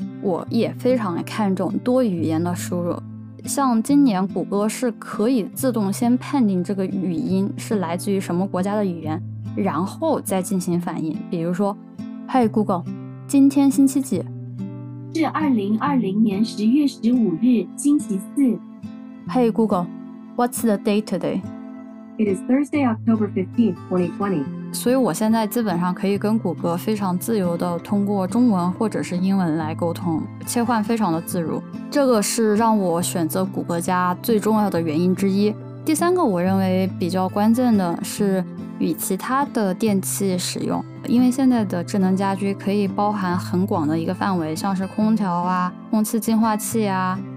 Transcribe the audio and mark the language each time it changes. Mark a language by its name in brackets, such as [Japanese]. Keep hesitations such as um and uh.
[Chinese] 我也非常看重多语言的输入，像今年谷歌是可以自动先判定这个语音是来自于什么国家的语言，然后再进行反应。比如说，Hey Google，今天星期几？是二零二零年十月十五日，星期四。 [English] Hey Google，What's the date today？It is Thursday, October fifteenth, twenty twenty. [Chinese] 所以，我现在基本上可以跟谷歌非常自由的通过中文或者是英文来沟通，切换非常的自如。这个是让我选择谷歌家最重要的原因之一。第三个，我认为比较关键的是与其他的电器使用，因为现在的智能家居可以包含很广的一个范围，像是空调啊、空气净化器啊。